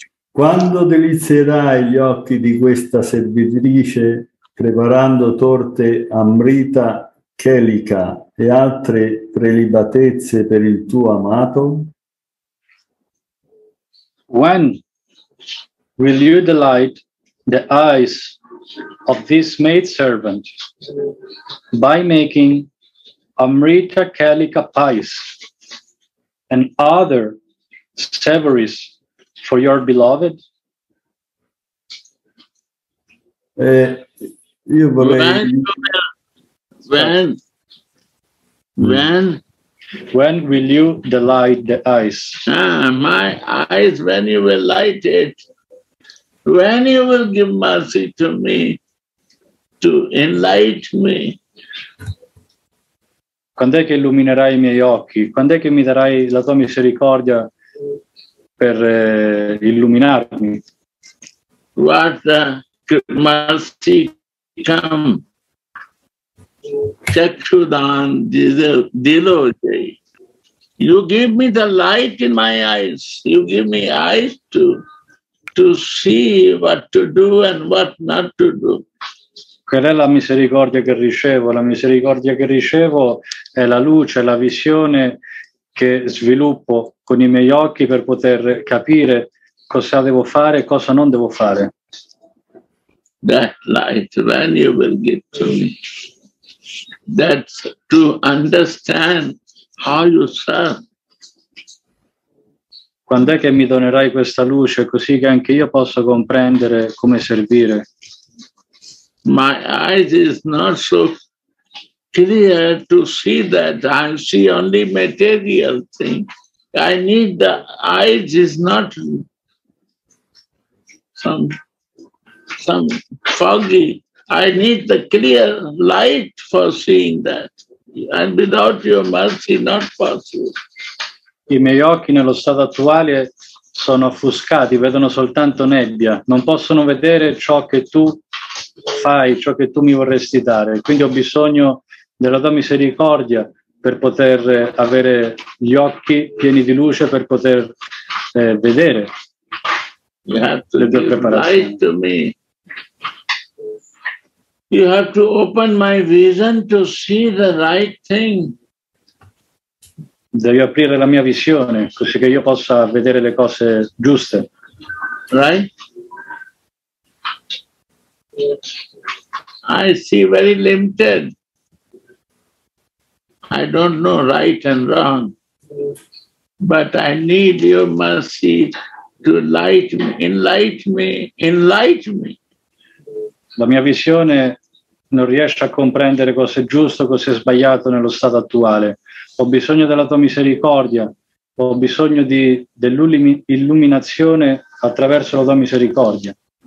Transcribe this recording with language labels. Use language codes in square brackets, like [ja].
[it] Quando delizierai gli occhi di questa servitrice preparando torte amrita, kelika e altre prelibatezze per il tuo amato? [en] When will you delight the eyes of this maidservant by making amrita kelika pies and other savories for your beloved? [it] Io vorrei... [en] When will you delight the eyes? My eyes, when you will light it, when you will give mercy to me, to enlighten me. [it] Quando è che illuminerai i miei occhi? Quando è che mi darai la tua misericordia per illuminarmi? Guarda, [en] mercy come. [bn] Chakshudan Diloji. [en] You give me the light in my eyes. You give me eyes to see what to do and what not to do. [it] Qual è la misericordia che ricevo? La misericordia che ricevo è la luce, la visione che sviluppo con i miei occhi per poter capire cosa devo fare e cosa non devo fare. [en] That light when you will give to me. That's to understand how you serve. [it] Quando è che mi donerai questa luce così che anche io possa comprendere come servire? [en] My eyes is not so clear to see that. I see only material thing. I need the eyes is not some foggy. I need the clear light for seeing that. And without your mercy, not possible. [it] I miei occhi nello stato attuale sono offuscati, vedono soltanto nebbia. Non possono vedere ciò che tu fai, ciò che tu mi vorresti dare. Quindi ho bisogno della tua misericordia per poter avere gli occhi pieni di luce, per poter vedere le tue preparazioni. [en] You have to open my vision to see the right thing. [it] Devi aprire la mia visione così che io possa vedere le cose giuste. [en] Right? I see very limited. I don't know right and wrong. But I need your mercy to light me, enlighten me, enlighten me. [it] La mia visione non riesce a comprendere cosa è giusto, cosa è sbagliato nello stato attuale. Ho bisogno della tua misericordia, ho bisogno dell'illuminazione attraverso la tua misericordia.